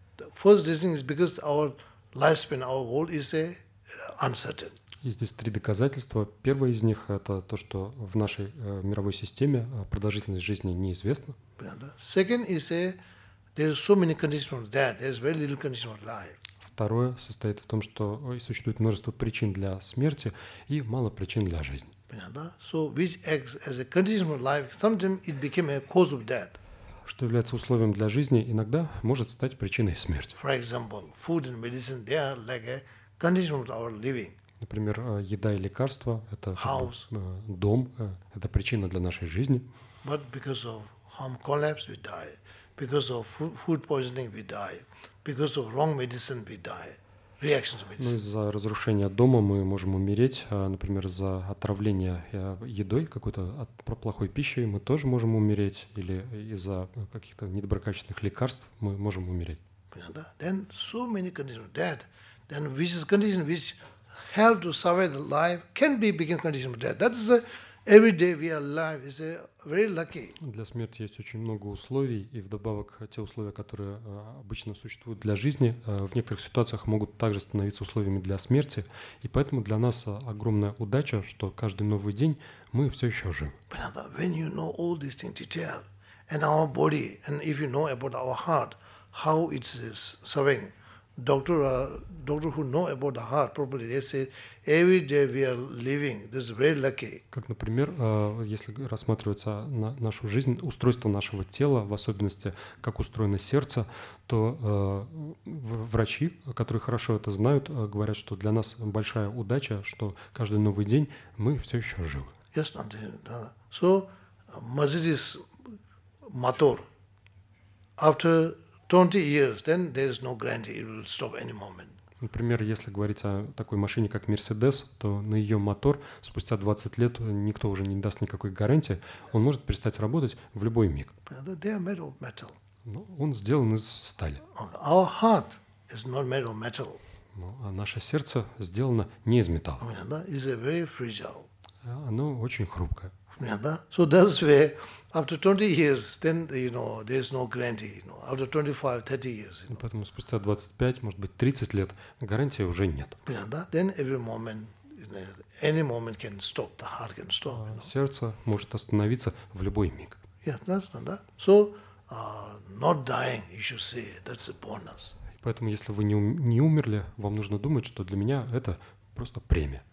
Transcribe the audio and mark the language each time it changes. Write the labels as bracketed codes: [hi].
[en] The first reasoning is because our lifespan, our world is uncertain. [ru] И здесь три доказательства. Первое из них – это то, что в нашей мировой системе продолжительность жизни неизвестна. Понятно? [en] Second is there's so many conditions for death. There's very little condition for life. [ru] Второе состоит в том, что существует множество причин для смерти и мало причин для жизни. Понятно? [en] So which acts as a condition for life, sometimes it became a cause of death. [ru] Что является условием для жизни, иногда может стать причиной смерти. [en] For example, food and medicine, they are like a condition of our living. [ru] Например, еда и лекарства – это [en] house. [ru] Дом, это причина для нашей жизни. [en] But because of home collapse, we die. Because of food poisoning, we die. Because of wrong medicine, we die. Reaction to medicine. [ru] Ну, из-за разрушения дома мы можем умереть. Например, за отравление едой, какой-то плохой пищей мы тоже можем умереть. Или из-за каких-то недоброкачественных лекарств мы можем умереть. [en] Then so many conditions. That, then which is condition which help to survive the life can be become condition of death. That is the Every day we are alive is very lucky. [ru] Для смерти есть очень много условий, и вдобавок те условия, которые обычно существуют для жизни, в некоторых ситуациях могут также становиться условиями для смерти, и поэтому для нас огромная удача, что каждый новый день мы все еще живы. [en] Brother, when you know all these things detail and our body, and if you know about our heart, how it's serving, Doctor who know about the heart, probably they say every day we are living. This is very lucky. [ru] Как, например, если рассматривается нашу жизнь, устройство нашего тела, в особенности как устроено сердце, то врачи, которые хорошо это знают, говорят, что для нас большая удача, что каждый новый день мы все еще живы. [en] Yes, so Mercedes motor after 20 years, then there is no guarantee it will stop any moment. [ru] Например, если говорить о такой машине, как Mercedes, то на ее мотор спустя 20 лет никто уже не даст никакой гарантии. Он может перестать работать в любой миг. [en] They are made of metal. [ru] Но он сделан из стали. [en] Our heart is not made of metal. [ru] Но, а наше сердце сделано не из металла. Да, [en] is a very fragile. [ru] Оно очень хрупкое. [en] Yeah, [ru] да? [en] So that's where after 20 years, then you know there's no guarantee. You know, after 25, 30 years. You know. [ru] Поэтому спустя 25, может быть, 30 лет гарантии уже нет. [en] Yeah, [ru] да? [en] Then every moment, you know, any moment can stop. The heart can stop. You know. [ru] Сердце может остановиться в любой миг. [en] Yeah, that's not that. So not dying, you should say, that's a bonus. [ru] И поэтому, если вы не умерли, вам нужно думать, что для меня это просто премия.